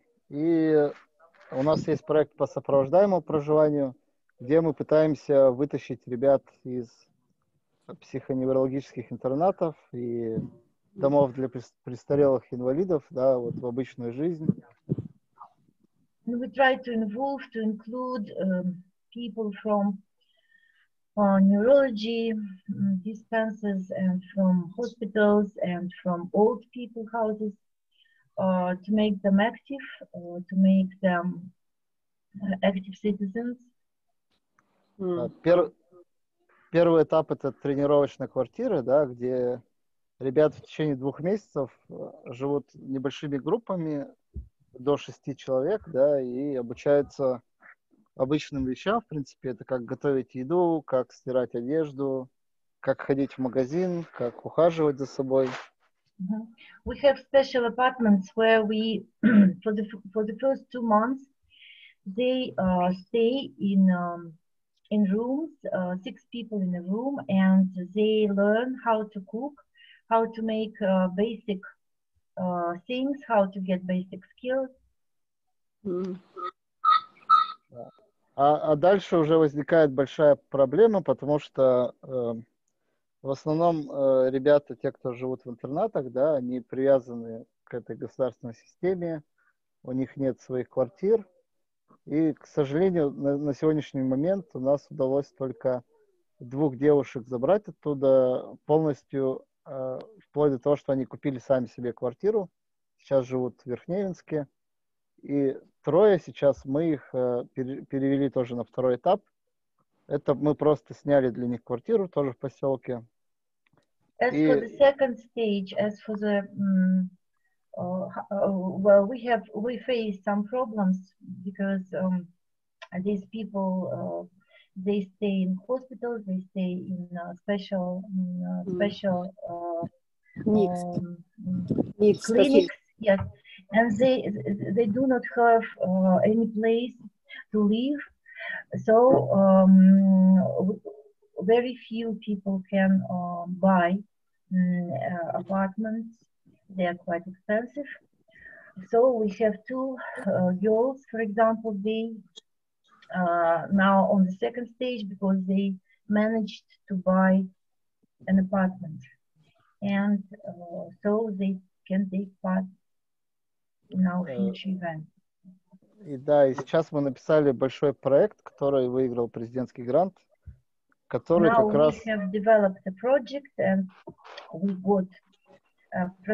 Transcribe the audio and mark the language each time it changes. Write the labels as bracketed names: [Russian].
[Russian] И у нас есть проект по сопровождаемому проживанию, где мы пытаемся вытащить ребят из психоневрологических интернатов и домов для престарелых инвалидов, да, вот в обычную жизнь. [English] We try to involve, to include people from neurology dispensers and from hospitals and from old people houses to make them active, to make them active citizens. [Russian] Первый этап — это тренировочная квартира, да, где ребята в течение 2 месяцев живут небольшими группами, до 6 человек, да, и обучаются обычным вещам, в принципе, это как готовить еду, как стирать одежду, как ходить в магазин, как ухаживать за собой. [English] We have special apartments where we for the first 2 months they stay in rooms, 6 people in a room, and they learn how to cook, how to make basic things, how to get basic skills. [Russian] А дальше уже возникает большая проблема, потому что в основном ребята, те, кто живут в интернатах, да, они привязаны к этой государственной системе, у них нет своих квартир. И, к сожалению, на сегодняшний момент у нас удалось только 2 девушек забрать оттуда полностью, вплоть до того, что они купили сами себе квартиру, сейчас живут в Верхневинске. И 3 сейчас мы их перевели тоже на 2-й этап. Это мы просто сняли для них квартиру тоже в поселке. [English] As for the second stage, as for the well, we face some problems because these people they stay in hospitals, they stay in special clinics, yes, and they do not have any place to live, so very few people can buy apartments. They are quite expensive. So we have 2 girls, for example, they now on the second stage because they managed to buy an apartment. And so they can take part in our future event. [Russian] И да, и сейчас мы написали большой проект, который выиграл президентский грант, который [English] now [Russian] как раз... [English] Now we have developed a project and we got